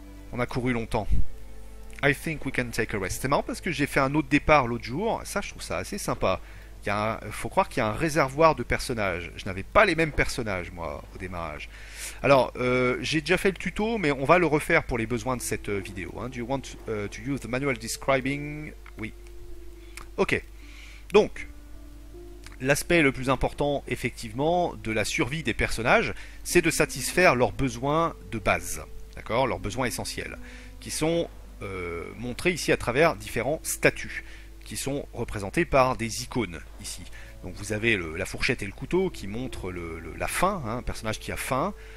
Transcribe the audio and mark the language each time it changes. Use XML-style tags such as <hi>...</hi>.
<fr>On a couru longtemps.</fr> <en>I think we can take a rest.</en> <fr>C'est marrant parce que j'ai fait un autre départ l'autre jour. Ça, je trouve ça assez sympa. Faut croire qu'il y a un réservoir de personnages. Je n'avais pas les mêmes personnages, moi, au démarrage. Alors, j'ai déjà fait le tuto, mais on va le refaire pour les besoins de cette vidéo.</fr> <en>Hein. Do you want to use the manual describing?</en> <fr>Oui. Ok. Donc, l'aspect le plus important, effectivement, de la survie des personnages, c'est de satisfaire leurs besoins de base. D'accord? Leurs besoins essentiels. Qui sont montrés ici à travers différents statuts. Qui sont représentés par des icônes, ici. Donc vous avez la fourchette et le couteau qui montrent la faim, hein, un personnage qui a faim.</fr>